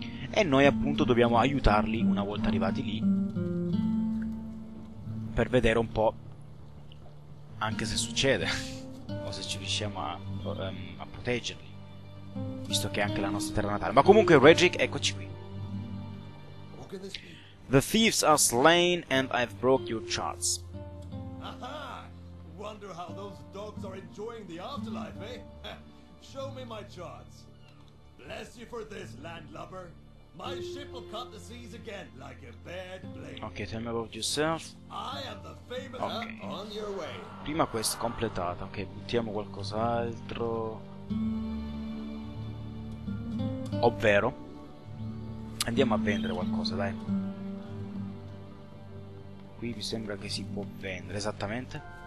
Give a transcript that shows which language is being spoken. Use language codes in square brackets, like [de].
[it] E noi appunto dobbiamo aiutarli una volta arrivati lì, per vedere un po' anche se succede o se ci riusciamo a proteggerli, visto che è anche la nostra terra natale. Ma comunque Redrick, eccoci qui. [en] The thieves are slain and I've broke your charts. Aha! Wonder how those dogs are enjoying the afterlife, eh? Show me my charts. Bless you for this, landlubber. My ship will cut the seas again like a bad blade. Okay, tell me about yourself. I am the famous on your way. [it] Prima quest completata. Ok, buttiamo qualcos'altro. Ovvero, andiamo a vendere qualcosa, dai. Qui mi sembra che si può vendere, esattamente.